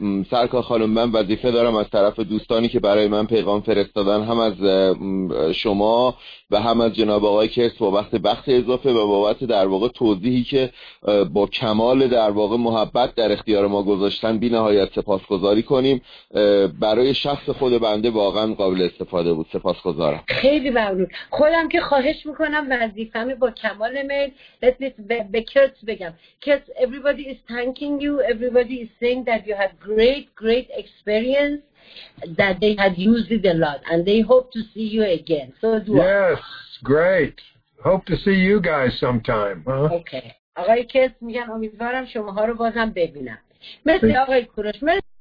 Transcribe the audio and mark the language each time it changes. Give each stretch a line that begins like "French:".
Persian: سرکار خانم، من وظیفه دارم از طرف دوستانی که برای من پیغام فرستادن، هم از شما و هم از جناب آقای کرس، بابت وقت اضافه و بابت در واقع توضیحی که با کمال در واقع محبت در اختیار ما گذاشتن بی نهایت سپاسگزاری کنیم. برای شخص خود بنده واقعا قابل استفاده بود، سپاسگزارم. خیلی ممنون. خودم که خواهش میکنم وظیفه‌م با کمال میل به کرس بگم.
English: Chris, everybody is thanking you, everybody is saying that you had great experience that they had used it a lot, and they hope to see you again. So do I. Yes, great. Hope to see you guys sometime. Huh? Okay.
Persian: آقای کس میگن امیدوارم شماها رو بازم ببینم. مرسی آقای کوروش. مرسی.